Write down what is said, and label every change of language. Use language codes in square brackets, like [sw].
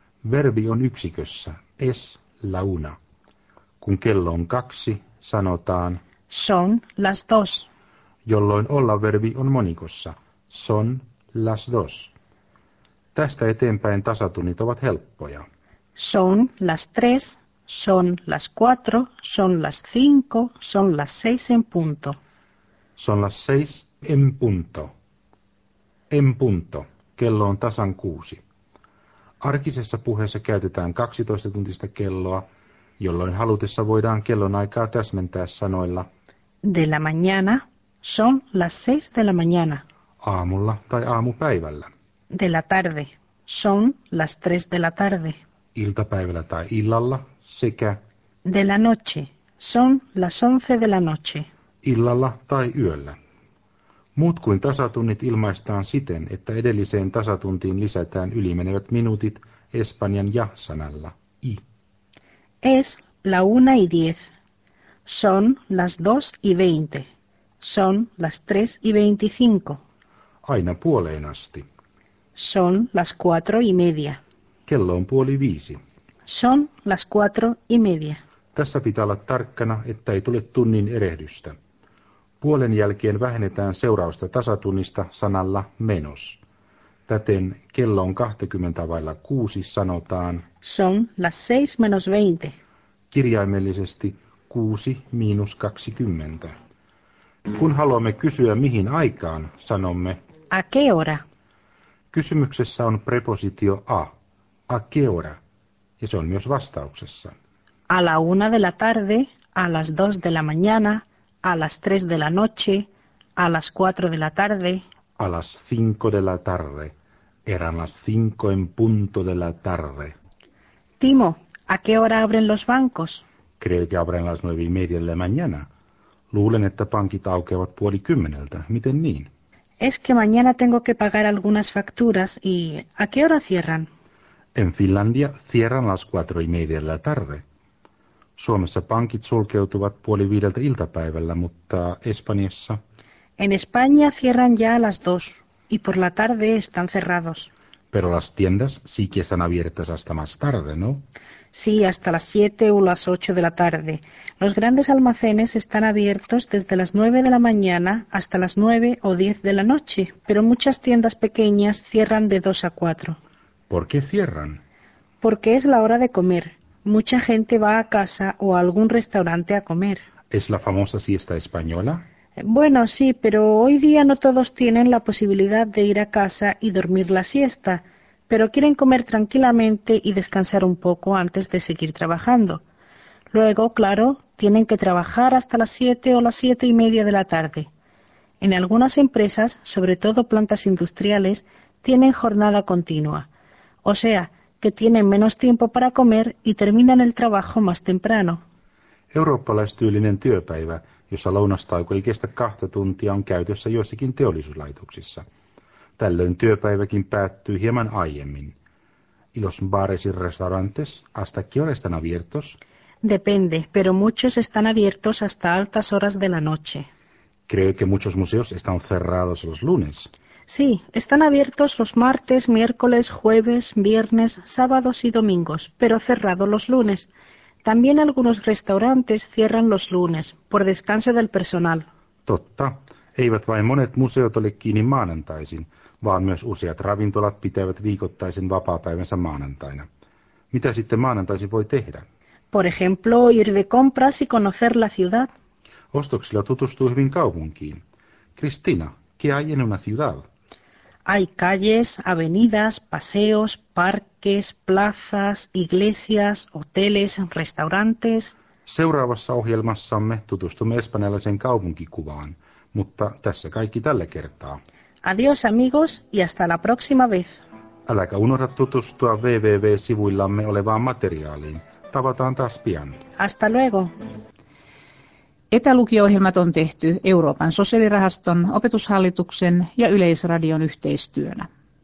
[fi] Verbi on yksikössä. [es] Es la una. [fi] Kun kello on kaksi, sanotaan... [es] Son las dos. [fi] Jolloin olla-verbi on monikossa. [es] Son las dos. [fi] Tästä eteenpäin tasatunnit ovat helppoja. [es] Son las tres, son las cuatro, son las cinco, son las seis en punto. Son las seis en punto. En punto. [fi] Kello on tasan kuusi. Arkisessa puheessa käytetään 12-tuntista kelloa, jolloin halutessa voidaan kellon aikaa täsmentää sanoilla... [es] De la mañana, son las seis de la mañana. [fi] Aamulla tai aamupäivällä. [es] De la tarde, son las tres de la tarde. [fi] Iltapäivällä tai illalla, sekä... [es] De la noche, son las once de la noche. [fi] Illalla tai yöllä. Muut kuin tasatunnit ilmaistaan siten, että edelliseen tasatuntiin lisätään ylimenevät minuutit espanjan ja-sanalla, i. [es] Es la una y diez. Son las dos y veinte. Son las tres y veinticinco. [fi] Aina puoleen asti. [es] Son las cuatro y media. [fi] Kello on puoli viisi. [es] Son las cuatro y media. [fi] Tässä pitää olla tarkkana, että ei tule tunnin erehdystä. Puolen jälkeen vähennetään seurausta tasatunnista sanalla menos. Täten kello on 5:40 sanotaan... [es] Son las seis menos veinte. [fi] Kirjaimellisesti... 6-20. Kun haluamme kysyä mihin aikaan, sanomme [es] a qué hora. [fi] Kysymyksessä on prepositio [es] a qué hora, [fi] ja se on myös vastauksessa. [es] A la una de la tarde, a las dos de la mañana, a las tres de la noche, a las cuatro de la tarde. A las cinco de la tarde. Eran las cinco en punto de la tarde. Timo, ¿a qué hora abren los bancos? Creo que abren las 9:30 de la mañana. [fi] Luulen, että pankit aukeavat 9:30. Miten niin? [es] Es que mañana tengo que pagar algunas facturas y... ¿A qué hora cierran? En Finlandia cierran las 4:30 de la tarde. Suomessa pankit sulkeutuvat 4:30 iltapäivällä, mutta Espanjassa... En España cierran ya a las 2 y por la tarde están cerrados. Pero las tiendas sí que están abiertas hasta más tarde, ¿no? Sí, hasta las 7 o las 8 de la tarde. Los grandes almacenes están abiertos desde las 9 de la mañana hasta las 9 o 10 de la noche. Pero muchas tiendas pequeñas cierran de 2 a 4. ¿Por qué cierran? Porque es la hora de comer. Mucha gente va a casa o a algún restaurante a comer. ¿Es la famosa siesta española? Bueno, sí, pero hoy día no todos tienen la posibilidad de ir a casa y dormir la siesta, pero quieren comer tranquilamente y descansar un poco antes de seguir trabajando. Luego, claro, tienen que trabajar hasta las 7 o las 7 y media de la tarde. En algunas empresas, sobre todo plantas industriales, tienen jornada continua. O sea, que tienen menos tiempo para comer y terminan el trabajo más temprano. [fi] Eurooppalaistyylinen työpäivä, jossa lounastauko ei kestä 2 tuntia, on käytössä joissakin teollisuuslaitoksissa. Tällöin työpäiväkin päättyy hieman aiemmin. [es] ¿Y los bares y restaurantes hasta qué hora están abiertos? Depende, pero muchos están abiertos hasta altas horas de la noche. ¿Cree que muchos museos están cerrados los lunes? Sí, están abiertos los martes, miércoles, jueves, viernes, sábados y domingos, pero cerrados los lunes. También algunos restaurantes cierran los lunes, por descanso del personal. [fi] Totta. Eivät vain monet museot ole kiinni maanantaisin, vaan myös useat ravintolat pitävät viikoittaisen vapaapäivänsä maanantaina. Mitä sitten maanantaisin voi tehdä? [es] Por ejemplo, ir de compras y conocer la ciudad. [fi] Ostoksilla tutustuu hyvin kaupunkiin. [es] Cristina, ¿qué hay en una ciudad? Hay calles, avenidas, paseos, parques, plazas, iglesias, hoteles, restaurantes. [fi] Seuraavassa ohjelmassamme tutustumme espanjalaisen kaupunkikuvaan, mutta tässä kaikki tällä kertaa. [es] Adiós amigos y hasta la próxima vez. [fi] Äläkä unohda tutustua www-sivuillamme olevaan materiaaliin. Tavataan taas pian. [es] Hasta luego. [fi] Etälukio-ohjelmat on tehty Euroopan sosiaalirahaston, opetushallituksen ja Yleisradion yhteistyönä.